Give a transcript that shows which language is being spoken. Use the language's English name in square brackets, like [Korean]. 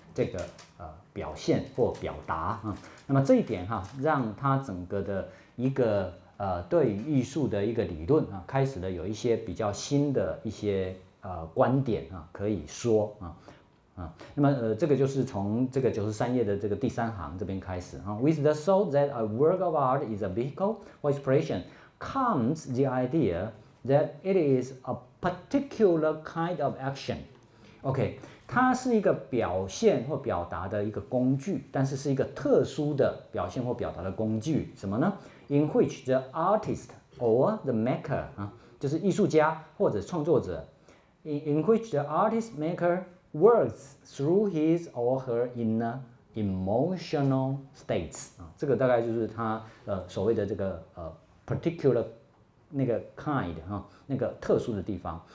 [Chinese] 这个表现或表达啊。那么这一点哈，让他整个的一个对于艺术的一个理论啊，开始了有一些比较新的一些观点啊，可以说啊。那么这个就是从这个93页的这个第三行这边开始啊。 [English] With the thought that a work of art is a vehicle for expression comes the idea that it is a particular kind of action. [Chinese] OK, 它是一个表现或表达的一个工具，但是是一个特殊的表现或表达的工具，什么呢？ [English] In which the artist or the maker, [Chinese] 就是艺术家或者创作者， [English] in which the artist makerWorks through his or her inner emotional states [Chinese] 啊，这个大概就是他所谓的这个particular 那个 kind 哈，那个特殊的地方。